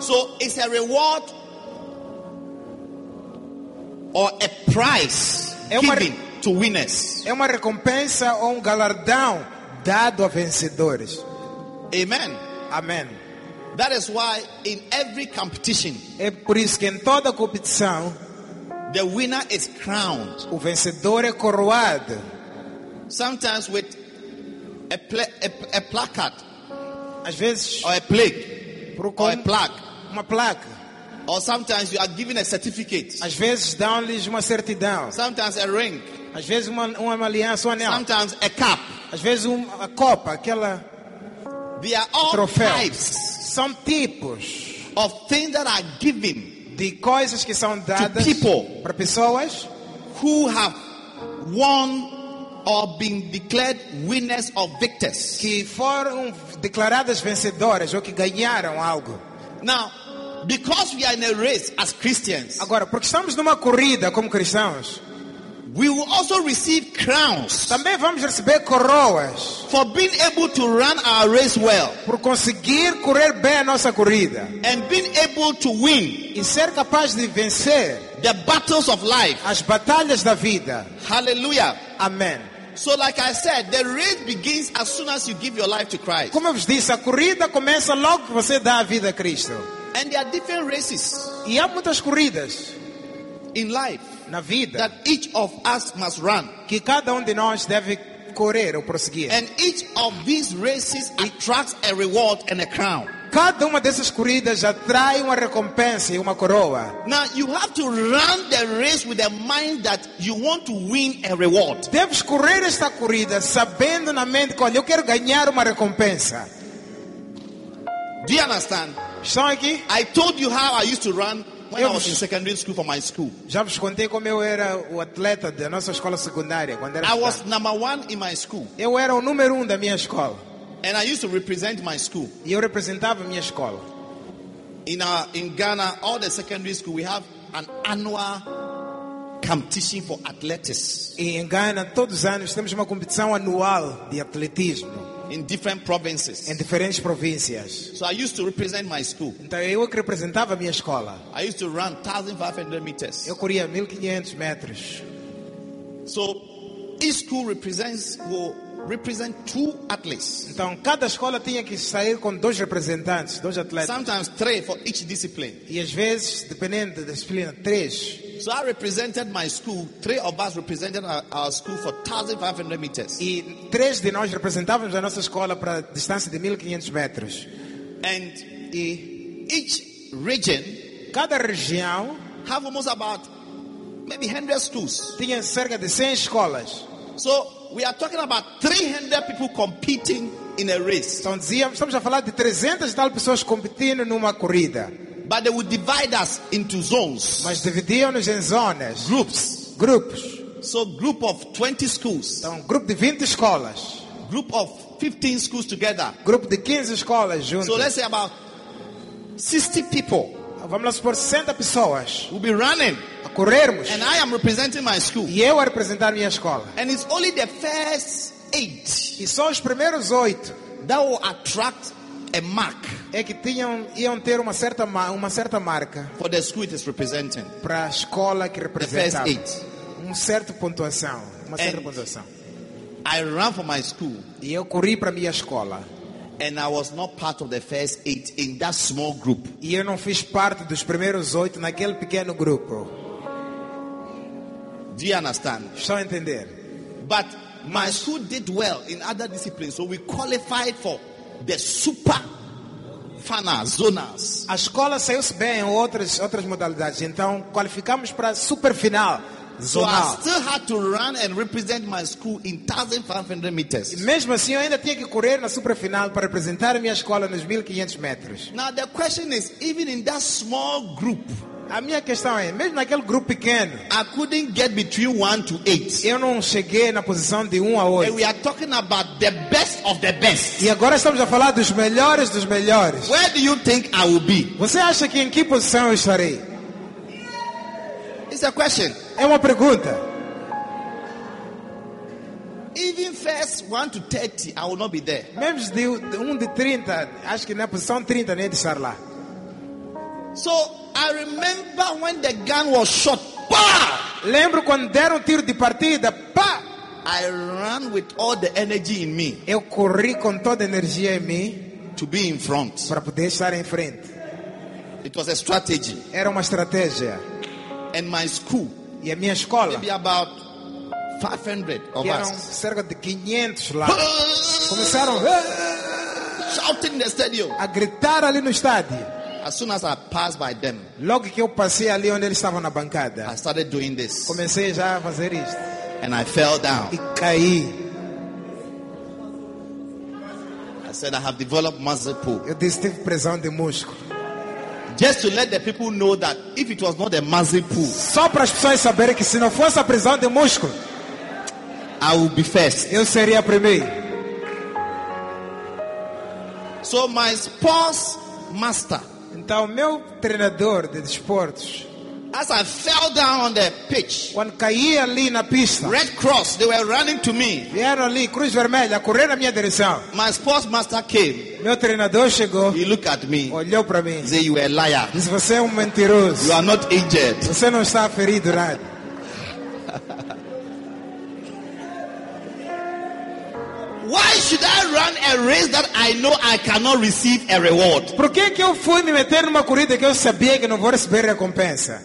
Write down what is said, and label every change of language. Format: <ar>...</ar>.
<en>So it's a reward or a prize given to winners.</en> <pt>É uma recompensa ou galardão dado a vencedores.</pt> <en>Amen.</en> <pt>Amen.</pt> <en>That is why in every competition,</en> <pt>é por isso que em toda competição,</pt> <en>the winner is crowned.</en> <pt>O vencedor é coroado.</pt> <en>Sometimes with a placard.</en> <pt>Às vezes,</pt> <en>or a plaque. Or a plaque.</en> <pt>Uma placa.</pt> <en>Or sometimes you are given a certificate.</en> <pt>Às vezes dão-lhes uma certidão.</pt> <en>Sometimes a ring.</en> <pt>Às vezes uma aliança, um anel.</pt> <en>Sometimes a cup.</en> <pt>Às vezes uma copa, aquela.</pt> <en>They are all</en> <pt>troféu.</pt> <en>Types.</en> <pt>São tipos</pt> <en>of things that are given.</en> <pt>De coisas que são dadas para pessoas</pt> <en>who have won or been declared winners or victors.</en> <pt>Que foram declaradas vencedoras ou que ganharam algo.</pt> <en>Now, because we are in a race as Christians,</en> <pt>agora, porque estamos numa corrida como cristãos,</pt> <en>we will also receive crowns.</en> <pt>Também vamos receber coroas</pt> <en>for being able to run our race well.</en> <pt>Por conseguir correr bem a nossa corrida.</pt> <en>And being able to win.</en> <pt>E ser capaz de vencer</pt> <en>the battles of life.</en> <pt>As batalhas da vida.</pt> <en>Hallelujah.</en> <pt>Amen.</pt> <en>So like I said, the race begins as soon as you give your life to Christ.</en> <pt>Como eu vos disse, a corrida começa logo que você dá a vida a Cristo.</pt> <en>And there are different races.</en> <pt>E há muitas corridas</pt> <en>in life.</en> <pt>Na vida.</pt> <en>That each of us must run.</en> <pt>Que cada de nós deve correr ou prosseguir.</pt> <en>And each of these races attracts a reward and a crown.</en> <pt>Cada uma dessas corridas atrai uma recompensa e uma coroa.</pt> <en>Now you have to run the race with a mind that you want to win a reward.</en> <pt>Deves correr esta corrida sabendo na mente que eu quero ganhar uma recompensa.</pt> <en>Do you understand?</en> <pt>Estão aqui?</pt> <en>I told you how I used to run when I was in secondary school for my school.</en> <pt>Já vos contei como eu era o atleta da nossa escola secundária quando era.</pt> <en>I was number one in my school.</en> <pt>Eu era o número um da minha escola.</pt> <en>And I used to represent my school.</en> <pt>E eu representava a minha escola.</pt> <en>In Ghana, all the secondary school, we have an annual competition for athletics.</en> <pt>E em Ghana, todos os anos temos uma competição anual de atletismo.</pt> <en>In different provinces.</en> <pt>Em diferentes províncias.</pt> <en>So I used to represent my school.</en> <pt>Então eu que representava a minha escola.</pt> <en>I used to run 1,500 meters.</en> <pt>Eu corria 1,500 metros.</pt> <en>So each school represents represent two athletes.</en> <pt>Então cada escola tinha que sair com dois representantes, dois atletas.</pt> <en>Sometimes three for each discipline.</en> <pt>E às vezes, dependendo da disciplina, três.</pt> <en>So I represented my school. Three of us represented our school for 1,500 meters.</en> <pt>E três de nós representávamos a nossa escola para a distância de 1,500 metros.</pt> <en>And each region,</en> <pt>cada região,</pt> <en>have almost about maybe 100 schools.</en> <pt>Tinha cerca de 100 escolas.</pt> <en>So we are talking about 300 people competing in a race.</en> <pt>Então, estamos a falar de 300 tal pessoas competindo numa corrida.</pt> <en>But they would divide us into zones.</en> <pt>Mas dividiam-nos em zonas.</pt> <en>Groups.</en> <pt>Grupos.</pt> <en>So group of 20 schools.</en> <pt>Então, grupo de 20 escolas.</pt> <en>Group of 15 schools together.</en> <pt>Grupo de 15 escolas juntas.</pt> <en>So let's say about 60 people.</en> <pt>Vamos lá supor 60 pessoas.</pt> <en>We'll be running.</en> <pt>Corrermos.</pt> <en>And I am representing my school.</en> <pt>E eu a representar minha escola.</pt> <en>And it's only the first 8.</en> <pt>E só os primeiros 8</pt> <en>that will attract a mark.</en> <pt>É que iam ter uma certa marca.</pt> <en>For the school it is representing.</en> <pt>Para a escola que representava.</pt> <en>The first 8.</en> <pt>Uma certa pontuação.</pt> <en>I ran for my school.</en> <pt>E eu corri para minha escola.</pt> <en>And I was not part of the first 8 in that small group.</en> <pt>E eu não fiz parte dos primeiros 8 naquele pequeno grupo.</pt> <en>Do you understand?</en> <pt>Só entender.</pt> <en>But my school did well in other disciplines, so we qualified for the super final zonas.</en> <pt>A escola saiu-se bem em outras modalidades, então qualificamos para super final zonal.</pt> <en>So I still had to run and represent my school in 1,500 meters.</en> <pt>E mesmo assim, eu ainda tinha que correr na super final para representar a minha escola nos 1,500 metros.</pt> <en>Now the question is, even in that small group.</en> <pt>A minha questão é, mesmo naquele grupo pequeno,</pt> <en>I couldn't get between 1 to 8.</en> <pt>Eu não cheguei na posição de 1 a 8.</pt> <en>And we are talking about the best of the best.</en> <pt>E agora estamos a falar dos melhores dos melhores.</pt> <en>Where do you think I will be?</en> <pt>Você acha que em que posição eu estarei?</pt> <en>It's a question.</en> <pt>É uma pergunta.</pt> <en>Even first 1 to 30, I will not be there.</en> <pt>Mesmo de 1 de 30, acho que na posição 30 nem de estar lá.</pt> <en>So I remember when the gun was shot. Bah!</en> <pt>Lembro quando deram tiro de partida. Bah!</pt> <en>I ran with all the energy in me.</en> <pt>Eu corri com toda a energia em mim.</pt> <en>To be in front.</en> <pt>Para poder estar em frente.</pt> <en>It was a strategy.</en> <pt>Era uma estratégia.</pt> <en>And my school.</en> <pt>E a minha escola.</pt> <en>Maybe about 500 of</en> <pt>eram</pt> <en>us.</en> <pt>Cerca de 500 lá. Começaram</pt> <en>shouting in the stadium.</en> <pt>A gritar ali no estádio.</pt> <en>As soon as I passed by them,</en> <pt>logo que eu passei ali onde eles estavam na bancada,</pt> <en>I started doing this.</en> <pt>Comecei já a fazer isto.</pt> <en>And I fell down.</en> <pt>E caí.</pt> <en>I said I have developed muscle pull.</en> <pt>Eu disse tive pressão de músculo.</pt> <en>Just to let the people know that if it was not a muscle pull,</en> <pt>só para as pessoas saberem que se não fosse a pressão de músculo,</pt> <en>I would be first.</en> <pt>Eu seria primeiro.</pt> <en>So my sports master.</en> <pt>Então meu treinador de desportos.</pt> <en>As I fell down on the pitch.</en> <pt>Quando caí ali na pista.</pt> <en>Red Cross, they were running to me.</en> <pt>Vieram ali Cruz Vermelha correr na minha direção.</pt> <en>My sports master came.</en> <pt>Meu treinador chegou.</pt> <en>He looked at me.</en> <pt>Olhou para mim.</pt> <en>Said you are a liar.</en> <pt>Disse você é mentiroso.</pt> <en>You are not injured.</en> <pt>Você não está ferido nada.</pt> <en>Why should I run a race that I know I cannot receive a reward?</en> <pt>Por que que eu fui me meter numa corrida que eu sabia que não vou receber recompensa?</pt>